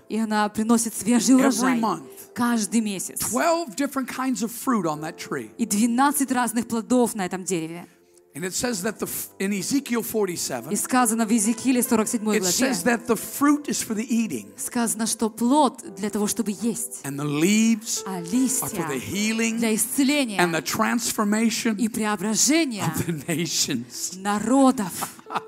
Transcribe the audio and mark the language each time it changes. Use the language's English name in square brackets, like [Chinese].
[Russian] И она приносит свежий урожай. [English] Every month. [Russian] Каждый месяц. [English] 12 different kinds of fruit on that tree. [Russian] И 12 разных плодов на этом дереве. [English] And it says that in Ezekiel 47. [Russian] И сказано в Иезекииле 47 главе. [English] It says that the fruit is for the eating. [Russian] Сказано, что плод для того, чтобы есть. [English] And the leaves. [Russian] А листья. [English] Are for the healing. [Russian] Для исцеления. [English] And the transformation. [Russian] И преображение. [English] Of the nations. [Russian] Народов.